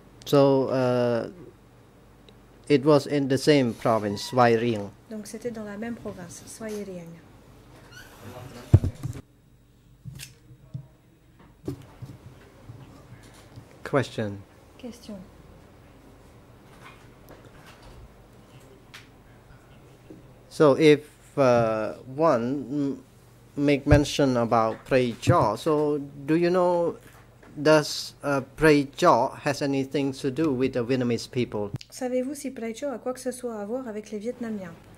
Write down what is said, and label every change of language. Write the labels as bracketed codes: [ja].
[en] So it was in the same province, Svai Rieng. [fr] Donc c'était dans la même province, Svai Rieng. [en] Question. Question. So if one make mention about Preijaw, so do you know, does Preijaw has anything to do with the Vietnamese people? [fr] Savez-vous si Preijaw a quoi que ce soit à voir avec les Vietnamiens?